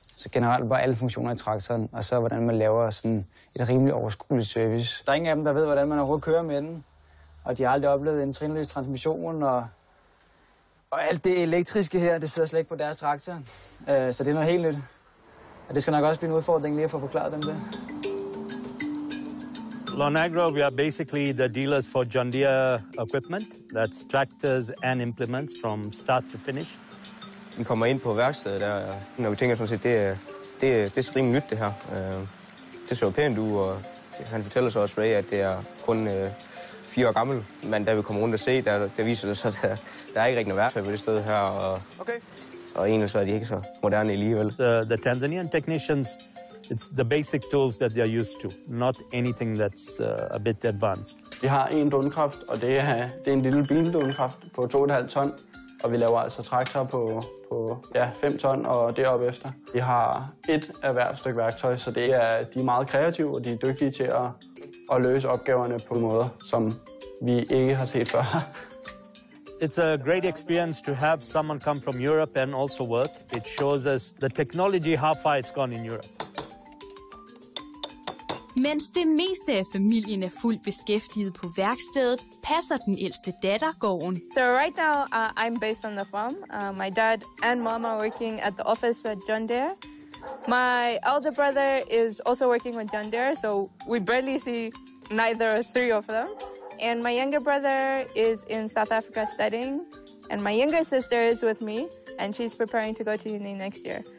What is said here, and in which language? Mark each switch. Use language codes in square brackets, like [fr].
[da] Så generelt bare alle funktioner i traktoren, og så hvordan man laver sådan et rimelig overskueligt service. Der er ingen af dem, der ved, hvordan man overhovedet kører med den. Og de har aldrig oplevet en trinløs transmission, og alt det elektriske her, det sidder slet ikke på deres traktor. Så det er noget helt nyt. Og det skal nok også blive en udfordring lige at få forklaret dem det. [en] Lonagro, we are basically the dealers for John Deere equipment. That's tractors and implements from start to finish. [da] Vi kommer ind på værkstedet der, når vi tænker sådan set, det er så rimelig nyt det her. Det ser jo pænt ud, og han fortæller så også Ray, at det er kun 4 år gammel. Men da vi kommer rundt og se, der viser det sig, at der er ikke rigtig noget værktøj på det sted her. Og, okay. Og egentlig så er de ikke så moderne alligevel. [en] The Tanzanian technicians, it's the basic tools that they're used to. Not anything that's a bit advanced. [da] Vi har en dundkraft, og det er en lille bildundkraft på 2,5 ton. Og vi laver altså traktorer på 5 ton og derop efter. Vi har et erhvervet stykke værktøj, så de er meget kreative, og de er dygtige til at løse opgaverne på måder, som vi ikke har set før. [en] It's a great experience to have someone come from Europe and also work. It shows us the technology, how far it's gone in Europe. [da] Mens det meste af familien er fuldt beskæftiget på værkstedet, passer den ældste datter gården. [en] So right now I'm based on the farm. My dad and mom are working at the office at John Deere. My elder brother is also working with John Deere, so we barely see neither three of them. And my younger brother is in South Africa studying, and my younger sister is with me, and she's preparing to go to uni next year.